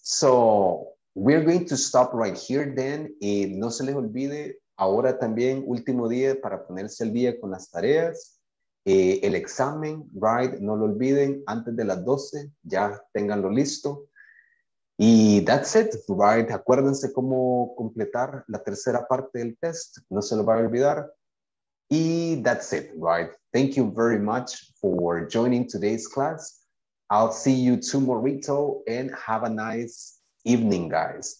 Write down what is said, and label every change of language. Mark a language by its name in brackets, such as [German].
[English] So we're going to stop right here then. [Spanish] Y no se les olvide, ahora también, último día para ponerse el día con las tareas. El examen, right? No lo olviden, antes de las 12, ya ténganlo listo. Y [English] that's it, [Spanish] right? Acuérdense cómo completar la tercera parte del test. No se lo va a olvidar. Y [English] that's it, [Spanish] right? [English] Thank you very much for joining today's class. I'll see you tomorrow and have a nice evening, guys.